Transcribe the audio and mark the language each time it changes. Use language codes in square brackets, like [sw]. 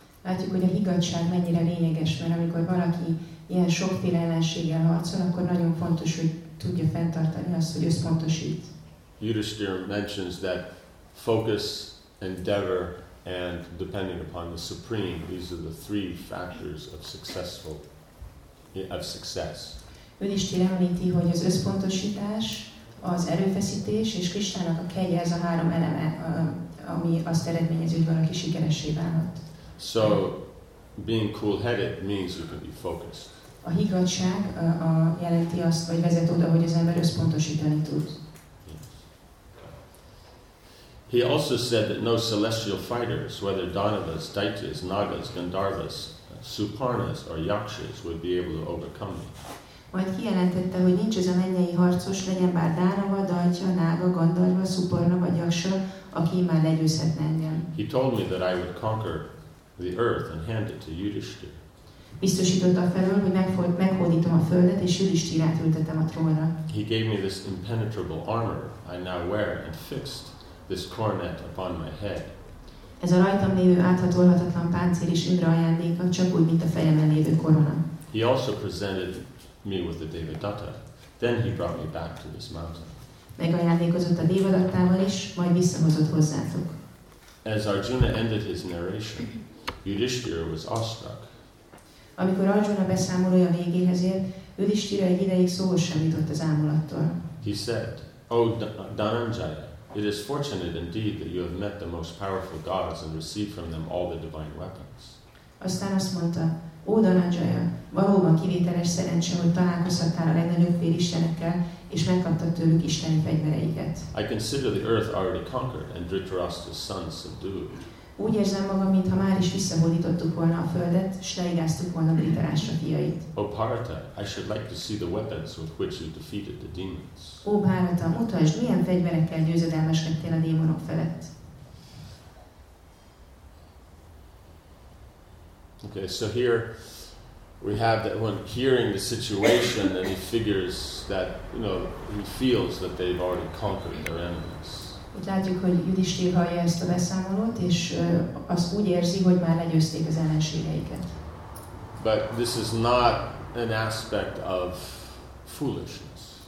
[hu] Látjuk, hogy a higgadtság mennyire lényeges, mert amikor valaki ilyen sokféle ellenséggel harcol, akkor nagyon fontos, hogy tudja fenntartani azt, hogy összpontosít. [en] Yudhisthira mentions that focus, endeavor, and depending upon the supreme, these are the three factors of success. [hu] Yudhisthira említi, hogy az összpontosítás, az erőfeszítés és Krisnának a kegye, ez a három eleme, ami azt eredményez, hogy valaki sikeressé válhat. [en] So, being cool-headed means you can be focused. [hu] A higgadtság a jelenti azt, vagy vezet oda, hogy az ember összpontosítani tud. [en] He also said that no celestial fighters, whether Danavas, Daityas, Nagas, Gandharvas, Suparnas, or Yakshas would be able to overcome me. [hu] Majd kijelentette, hogy nincs ez a mennyei harcos, legyen bár Dánava, Dajtya, Nága, Gandharva, Suparna vagy Yaksa, aki már legyőzhetne engem. [en] He told me that I would conquer the earth and hand it to Yudhisthira. [hu] Biztosította felől, hogy meghódítom a földet, és Yudhisthirát ültetem a trónra. [en] He gave me this impenetrable armor I now wear and fixed this coronet upon my head. [hu] Ez a rajtam lévő áthatolhatatlan páncél is Indra ajándéka, csak úgy, mint a fejemen lévő korona. [en] He also presented me with the Devadatta. Then he brought me back to this mountain. [hu] Megajándékozott a Devadattával is, majd visszahozott hozzátok. [en] As Arjuna ended his narration, Yudhisthira was awestruck. [hu] Amikor Arjuna beszámolója végéhez ért, Yudhisthira egy ideig szóhoz sem jutott az ámulattól. [en] He said, O Dhananjaya, it is fortunate indeed that you have met the most powerful gods and received from them all the divine weapons. [hu] Aztán azt mondta, Ó Dhananjaya, valóban kivételes szerencse, hogy találkozhattál a legnagyobb fél istenekkel, és megkaptad tőlük isteni fegyvereiket. [en] I consider the earth already conquered and Dhritarashtra's son subdued. [hu] Úgy érzem magam, mintha már is visszahódítottuk volna a földet, s leigáztuk volna Dhritarashtra fiait. [en] O Bharata, I should like to see the weapons with which you defeated the demons. [hu] Ó Bharata, mutasd, milyen fegyverekkel győzedelmeskedtél a démonok felett. [en] Okay, so here we have that when hearing the situation that he figures that, you know, he feels that they've already conquered their enemies. [hu] Úgy látjuk, hogy Yudhisthira hallja ezt a beszámolót, és az úgy érzi, hogy már legyőzték az ellenségeiket. [en] But this is not an aspect of foolishness.